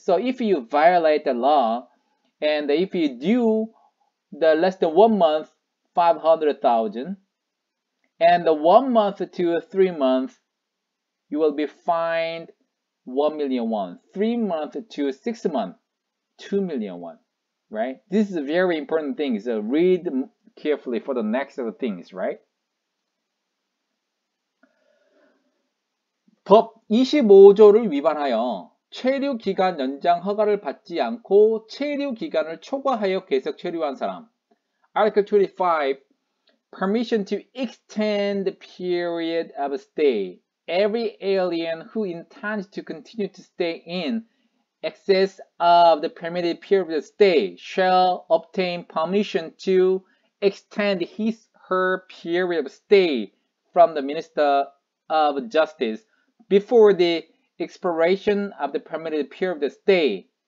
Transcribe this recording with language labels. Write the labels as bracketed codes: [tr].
[en] So, if you violate the law, and if you do the less than 1 month, 500,000, and the 1 month to 3 months, you will be fined 1,000,000 won. 3 months to 6 months, 2,000,000 won, right? This is a very important thing, so read carefully for the next of the things, right? [ko] 법 25조를 위반하여 체류 기간 연장 허가를 받지 않고 체류 기간을 초과하여 계속 체류한 사람. [en] Article 25, permission to extend the period of stay. Every alien who intends to continue to stay in excess of the permitted period of stay shall obtain permission to extend his or her period of stay from the Minister of Justice before the expiration of the permitted period of the stay.